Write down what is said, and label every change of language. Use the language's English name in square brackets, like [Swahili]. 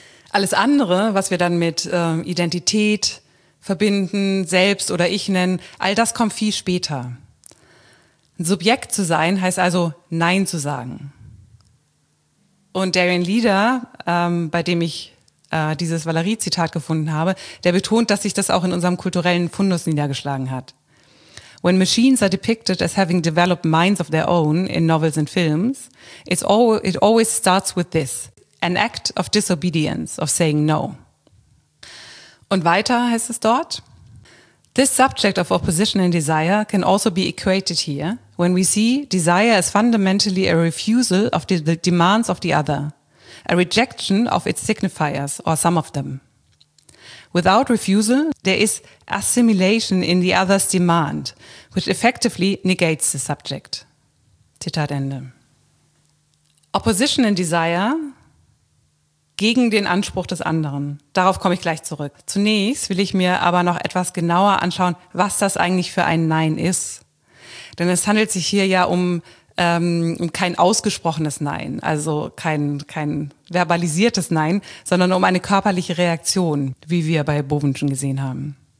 [German] Alles andere, was wir dann mit Identität verbinden, selbst oder ich nennen, all das kommt viel später. Ein Subjekt zu sein heißt also, Nein zu sagen. Und Darian Leader, bei dem ich dieses Valéry-Zitat gefunden habe, der betont, dass sich das auch in unserem kulturellen Fundus niedergeschlagen hat. [English] When machines are depicted as having developed minds of their own in novels and films, it always starts with this, an act of disobedience, of saying no. [German] Und weiter heißt es dort, [English] this subject of opposition and desire can also be equated here when we see desire as fundamentally a refusal of the demands of the other, a rejection of its signifiers or some of them. Without refusal, there is assimilation in the other's demand, which effectively negates the subject. [German] Zitat Ende. [English] Opposition and desire [German] gegen den Anspruch des anderen. Darauf komme ich gleich zurück. Zunächst will ich mir aber noch etwas genauer anschauen, was das eigentlich für ein Nein ist. Denn es handelt sich hier ja um kein ausgesprochenes Nein, also kein verbalisiertes Nein, sondern um eine körperliche Reaktion, wie wir bei Bowen schon gesehen haben.